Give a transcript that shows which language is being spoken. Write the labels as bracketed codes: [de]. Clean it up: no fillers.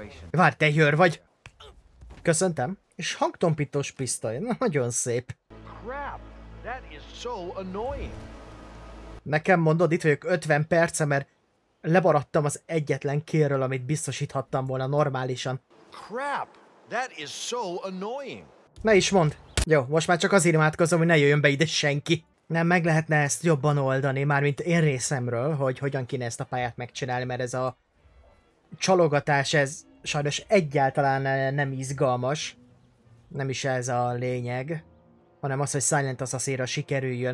[hu] Várj, te jör vagy! Köszöntem. És hangtompítós pisztoly. Nagyon szép. [en] That is so annoying. [hu] Nekem mondod, itt vagyok 50 perce, mert lemaradtam az egyetlen kérről, amit biztosíthattam volna normálisan. [en] Crap, that is so annoying. [hu] Ne is mondd. Jó, most már csak azért imádkozom, hogy ne jöjjön be ide senki. Nem, meg lehetne ezt jobban oldani, mármint én részemről, hogy hogyan kéne ezt a pályát megcsinálni, mert ez a csalogatás, ez sajnos egyáltalán nem izgalmas. Nem is ez a lényeg. Hanem az, hogy Silent Assassin-ra sikerüljön.